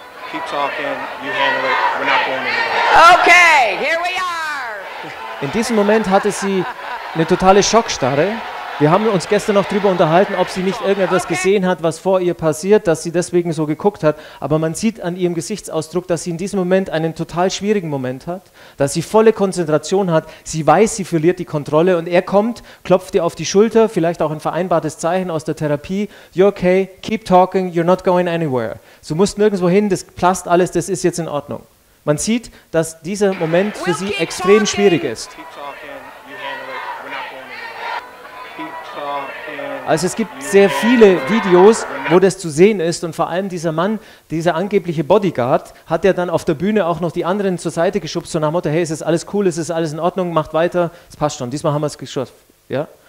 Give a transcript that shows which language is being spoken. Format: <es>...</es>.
<en>Keep talking, you handle it, we're not going anywhere. Okay, here we are.</en> <de>In diesem Moment hatte sie eine totale Schockstarre. Wir haben uns gestern noch darüber unterhalten, ob sie nicht irgendetwas gesehen hat, was vor ihr passiert, dass sie deswegen so geguckt hat. Aber man sieht an ihrem Gesichtsausdruck, dass sie in diesem Moment einen total schwierigen Moment hat, dass sie volle Konzentration hat. Sie weiß, sie verliert die Kontrolle und er kommt, klopft ihr auf die Schulter, vielleicht auch ein vereinbartes Zeichen aus der Therapie.</de> <en>You're okay, keep talking, you're not going anywhere.</en> <de>Du musst nirgendwo hin, das passt alles, das ist jetzt in Ordnung. Man sieht, dass dieser Moment für sie extrem schwierig ist. Also es gibt sehr viele Videos, wo das zu sehen ist und vor allem dieser Mann, dieser angebliche Bodyguard, hat ja dann auf der Bühne auch noch die anderen zur Seite geschubst, so nach dem Motto, hey, ist das alles cool, ist das alles in Ordnung, macht weiter, es passt schon, diesmal haben wir es geschafft. Ja?</de>